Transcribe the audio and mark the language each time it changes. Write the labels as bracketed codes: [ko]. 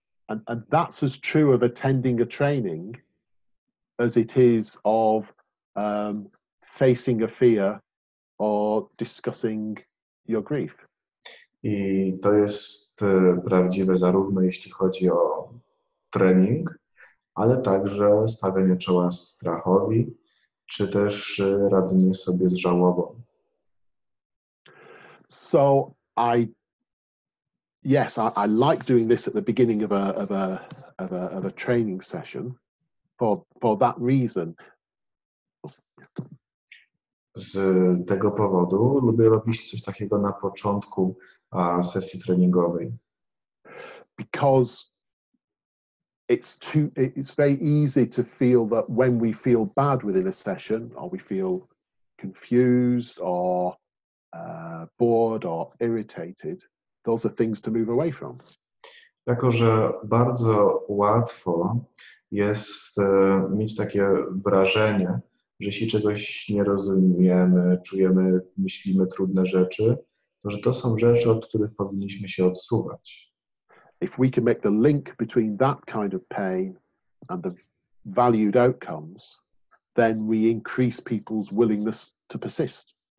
[en] And that's as true of attending a training as it is of facing a fear or discussing your grief. [pl] I to jest prawdziwe zarówno jeśli chodzi o trening, ale także stawianie czoła strachowi, czy też radzenie sobie z żałobą. [en] So I like doing this at the beginning of a training session for that reason. [pl] Z tego powodu lubię robić coś takiego na początku sesji treningowej. [en] Because it's very easy to feel that when we feel bad within a session, or we feel confused or bored or irritated, those are things to move away from. [pl] Jako że bardzo łatwo jest mieć takie wrażenie, że jeśli czegoś nie rozumiemy, czujemy, myślimy trudne rzeczy, to że to są rzeczy, od których powinniśmy się odsuwać. [en] If we can make the link between that kind of pain and the valued outcomes, then we increase people's willingness to persist.